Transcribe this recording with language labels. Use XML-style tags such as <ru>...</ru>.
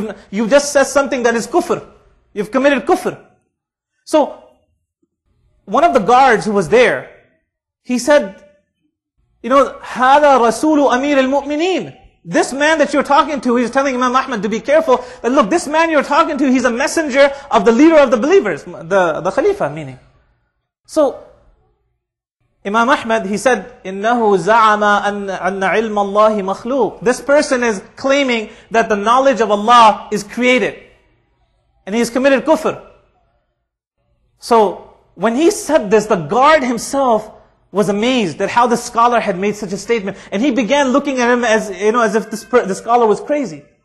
<en>You've just said something that is kufr. You've committed kufr. So one of the guards who was there, he said, you know,</en> <ar>هَذَا رَسُولُ أَمِيرِ الْمُؤْمِنِينَ.</ar> <en>This man that you're talking to, he's telling Imam Ahmad to be careful. But look, this man you're talking to, he's a messenger of the leader of the believers, the Khalifa meaning. So Imam Ahmad, he said,</en> <ar>إِنَّهُ زَعَمَ أَنَّ عِلْمَ اللَّهِ مَخْلُوقٍ.</ar> <en>This person is claiming that the knowledge of Allah is created. And he's committed kufr. So when he said this, the guard himself was amazed at how the scholar had made such a statement. And he began looking at him as, you know, as if the scholar was crazy.</en>